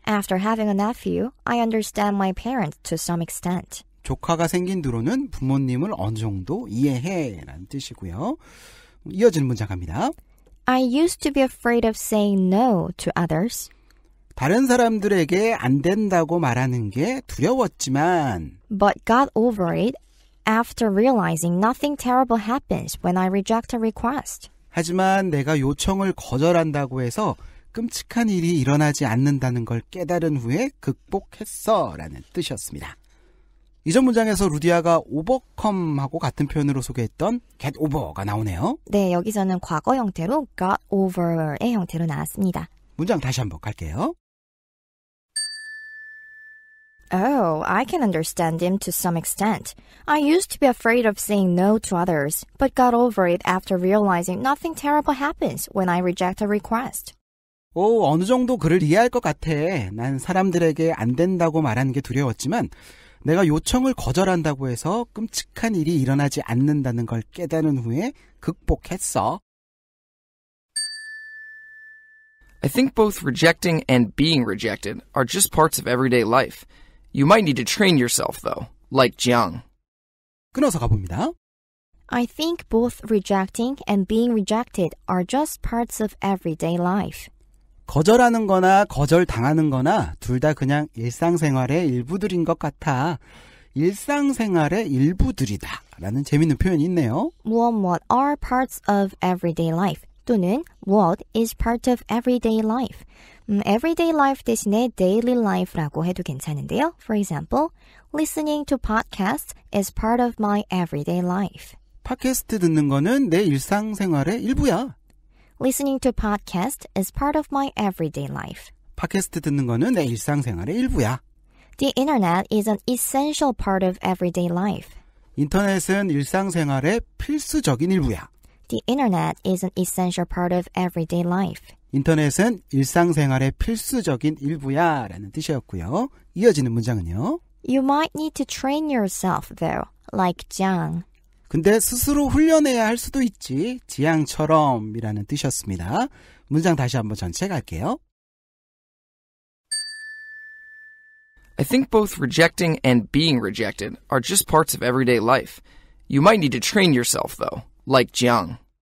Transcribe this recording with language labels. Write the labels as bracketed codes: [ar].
[en] After having a nephew, I understand my parents to some extent. [ko] 조카가 생긴 뒤로는 부모님을 어느 정도 이해해 라는 뜻이고요. 이어지는 문장 갑니다. [en] I used to be afraid of saying no to others. [ko] 다른 사람들에게 안 된다고 말하는 게 두려웠지만 [en] But got over it after realizing nothing terrible happens when I reject a request. [ko] 하지만 내가 요청을 거절한다고 해서 끔찍한 일이 일어나지 않는다는 걸 깨달은 후에 극복했어 라는 뜻이었습니다. 이전 문장에서 루디아가 overcome하고 같은 표현으로 소개했던 get over가 나오네요. 네, 여기서는 과거 형태로 got over의 형태로 나왔습니다. 문장 다시 한번 갈게요. [en] Oh, I can understand him to some extent. I used to be afraid of saying no to others, but got over it after realizing nothing terrible happens when I reject a request. [ko] 오, 어느 정도 그를 이해할 것 같아. 난 사람들에게 안 된다고 말하는 게 두려웠지만 내가 요청을 거절한다고 해서 끔찍한 일이 일어나지 않는다는 걸 깨달은 후에 극복했어. [en] I think both rejecting and being rejected are just parts of everyday life. You might need to train yourself, though, like Jiang. [ko] 끊어서 가봅니다. [en] I think both rejecting and being rejected are just parts of everyday life. [ko] 거절하는 거나 거절당하는 거나 둘 다 그냥 일상생활의 일부들인 것 같아. 일상생활의 일부들이다 라는 재미있는 표현이 있네요. [en] What are parts of everyday life? 또는 what is part of everyday life? [ko] Everyday life 대신에 daily life라고 해도 괜찮은데요. [en] For example, listening to podcasts is part of my everyday life. [ko] 팟캐스트 듣는 거는 내 일상생활의 일부야. [en] Listening to podcast is part of my everyday life. [ko] 팟캐스트 듣는 거는 내 일상생활의 일부야. [en] The internet is an essential part of everyday life. [ko] 인터넷은 일상생활의 필수적인 일부야. [en] The internet is an essential part of everyday life. [ko] 인터넷은 일상생활의 필수적인 일부야 라는 뜻이었고요. 이어지는 문장은요. [en] You might need to train yourself though, like Jiang. [ko] 근데 스스로 훈련해야 할 수도 있지, 지향처럼이라는 뜻이었습니다. 문장 다시 한번 전체 갈게요. [en] I think both rejecting and being rejected are just parts of everyday life. You might need to train yourself though, like Jiang.